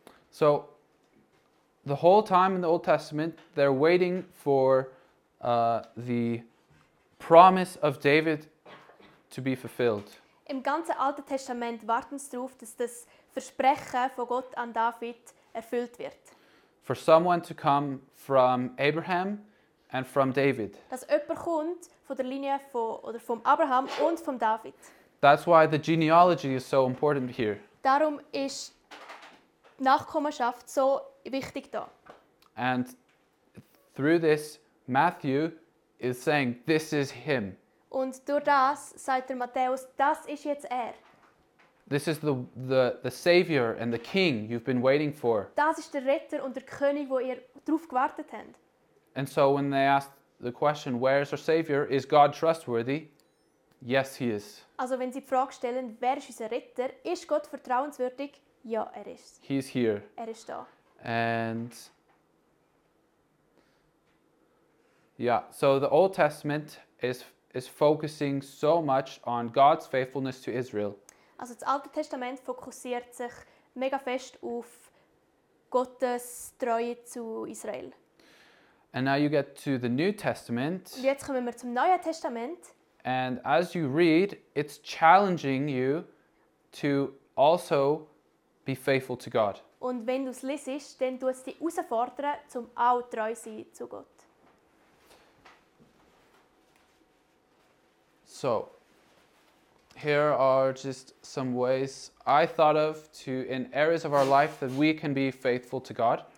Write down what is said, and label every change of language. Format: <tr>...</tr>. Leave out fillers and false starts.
<en>So, the whole time in the Old Testament, they're waiting for the promise of David to be fulfilled.</en> <de>Im ganzen Alten Testament warten sie darauf, dass das Versprechen von Gott an David erfüllt wird.</de> <en>For someone to come from Abraham, and from David.</en> <de>Dass jemand kommt von der Linie von Abraham und von David.</de> <en>That's why the genealogy is so important here.</en> <de>Darum ist Nachkommenschaft so wichtig da.</de> <en>And through this, Matthew is saying, this is him.</en> <de>Und durch das sagt der Matthäus, das ist jetzt er.</de> <en>This is the savior and the king you've been waiting for.</en> <de>Das ist der Retter und der König, wo ihr drauf gewartet habt.</de> <en>And so when they asked the question, where is our Savior? Is God trustworthy? Yes, he is.</en> <de>Also, wenn Sie die Frage stellen, wer ist unser Retter? Ist Gott vertrauenswürdig? Ja, er ist.</de> <en>He is here.</en> <de>Er ist da.</de> <en>And yeah, so the Old Testament is focusing so much on God's faithfulness to Israel.</en> <de>Also das Alte Testament fokussiert sich mega fest auf Gottes Treue zu Israel.</de> <en>And now you get to the New Testament.</en> <de>Und jetzt kommen wir zum Neuen Testament.</de> <en>And as you read, it's challenging you to also be faithful to God.</en> <de>Und wenn du es liest, dann tust du dich herausfordern, um auch treu zu sein zu Gott.</de> <en>So, here are just some ways I thought of to in areas of our life that we can be faithful to God.</en>